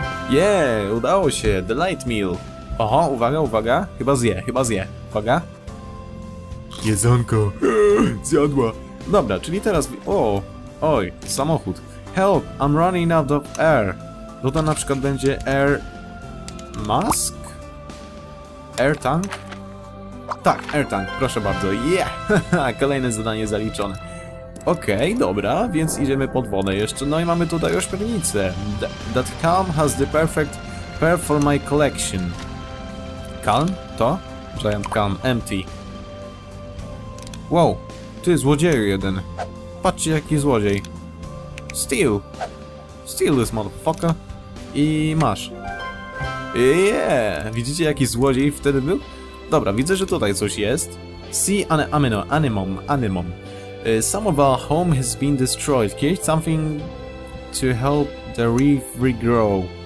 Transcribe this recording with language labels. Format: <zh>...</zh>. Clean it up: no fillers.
<pl>Yeah, udało się.</pl> <en>The light meal.</en> <pl>Oho, uwaga. Chyba zje. Uwaga. Jedzonko. Zjadła. Dobra, czyli teraz... Oj, samochód.</pl> <en>Help, I'm running out of air.</en> <pl>No to na przykład będzie air... mask? Air tank? Tak, air tank, proszę bardzo. Yeah! Kolejne zadanie zaliczone. Okej, okay, dobra, więc idziemy pod wodę jeszcze. No i mamy tutaj już pernicę.</pl> <en>That calm has the perfect pair for my collection.</en> <pl>Calm? To?</pl> <en>Giant calm, empty.</en> <pl>Wow. Ty, złodzieju jeden. Patrzcie, jaki złodziej.</pl> <en>Steal this motherfucker.</en> <pl>I masz. Yeah! Widzicie, jaki złodziej wtedy był? Dobra, widzę, że tutaj coś jest.</pl> <en>See an animum. Some of our home has been destroyed. Create something to help the reef regrow.</en>